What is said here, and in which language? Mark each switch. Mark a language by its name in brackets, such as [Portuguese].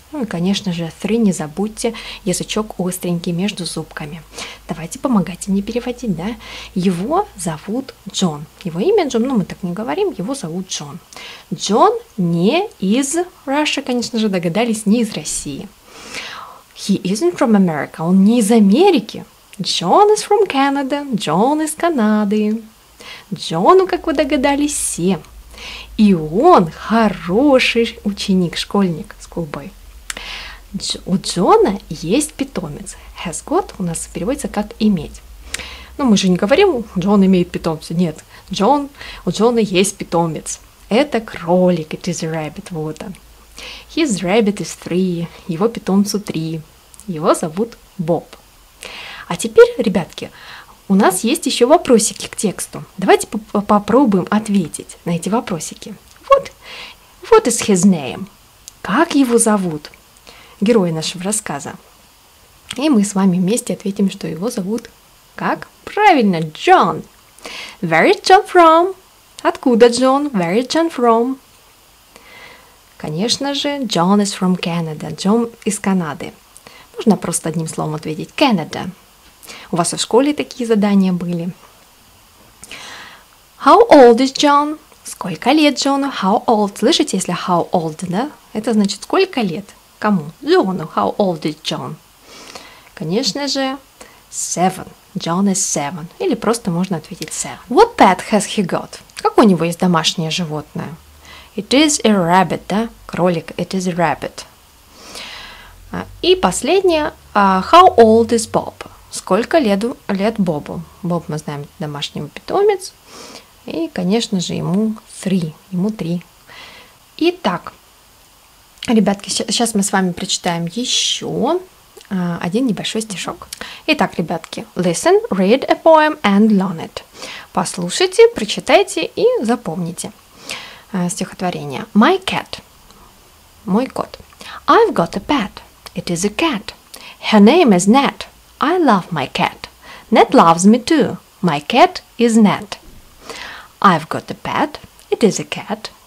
[Russian] Ну и, конечно же, [English] three [Russian] не забудьте, язычок остренький между зубками. Давайте помогайте мне переводить, да? Его зовут Джон. Его имя Джон, ну мы так не говорим, его зовут Джон. Джон не из Russia, конечно же, догадались, не из России. [English] He isn't from America, [Russian] он не из Америки. [English] John is from Canada, John [Russian] из Канады. Джону, как вы догадались, 7. И он хороший ученик, школьник, [English] schoolboy. [Russian] У Джона есть питомец. [English] Has got [Russian] у нас переводится как иметь. Но мы же не говорим, Джон имеет питомца. Нет, Джон, у Джона есть питомец. Это кролик, [English] it is a rabbit, [Russian] вот он. [English] His rabbit is 3, [Russian] его питомцу 3. Его зовут Боб. А теперь, ребятки, у нас есть еще вопросики к тексту. Давайте попробуем ответить на эти вопросики. [English] Вот, what is his name? [Russian] Как его зовут? Герой нашего рассказа. И мы с вами вместе ответим, что его зовут как? Правильно, Джон. [English] Where is John from? [Russian] Откуда Джон? [English] Where is John from? [Russian] Конечно же, [English] John is from Canada. [Russian] Джон из Канады. Можно просто одним словом ответить. [English] Canada. [Russian] У вас и в школе такие задания были. [English] How old is John? [Russian] Сколько лет Джону? [English] How old? [Russian] Слышите, если [English] how old, [Russian] да? Это значит, сколько лет? Кому? Джону. [English] How old is John? [Russian] Конечно же, [English] 7. John is 7. [Russian] Или просто можно ответить 7. [English] What pet has he got? [Russian] Как у него есть домашнее животное? [English] It is a rabbit, да? [Russian] Кролик. [English] It is a rabbit. [Russian] И последнее. [English] How old is Bob? [Russian] Сколько лет Бобу? Боб, мы знаем, домашний питомец. И, конечно же, ему 3. Ему 3. Итак, ребятки, сейчас мы с вами прочитаем еще один небольшой стишок. Итак, ребятки, [English] listen, read a poem and learn it. [Russian] Послушайте, прочитайте и запомните стихотворение. [English] My cat. [Russian] Мой кот. [English] I've got a pet. It is a cat. Her name is Nat. I love my cat. Nat loves me too. My cat is Nat. I've got a pet. It is a cat.